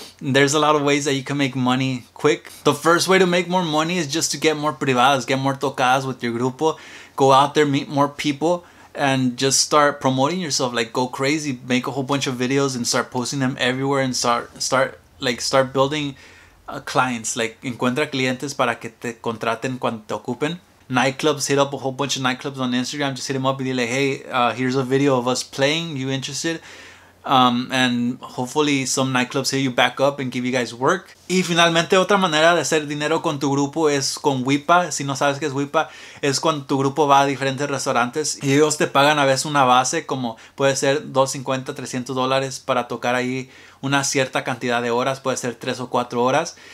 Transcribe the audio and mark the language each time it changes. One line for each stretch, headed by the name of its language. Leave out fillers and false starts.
English: There's a lot of ways that you can make money quick. The first way to make more money is just to get more privadas, get more tocadas with your grupo. Go out there, meet more people, and just start promoting yourself. Like, go crazy. Make a whole bunch of videos and start posting them everywhere and start building clients.
Spanish: Like, encuentra clientes para que te contraten cuando te ocupen.
English: Nightclubs, hit up a whole bunch of nightclubs on Instagram. Just hit them up and be like, hey, here's a video of us playing. You interested? And hopefully some nightclubs hit you back up and give you guys work.
Spanish: Y finalmente, otra manera de hacer dinero con tu grupo es con WIPA. Si no sabes qué es WIPA, es cuando tu grupo va a diferentes restaurantes y ellos te pagan a veces una base, como puede ser $250, $300 para tocar ahí una cierta cantidad de horas, puede ser 3 o 4 horas.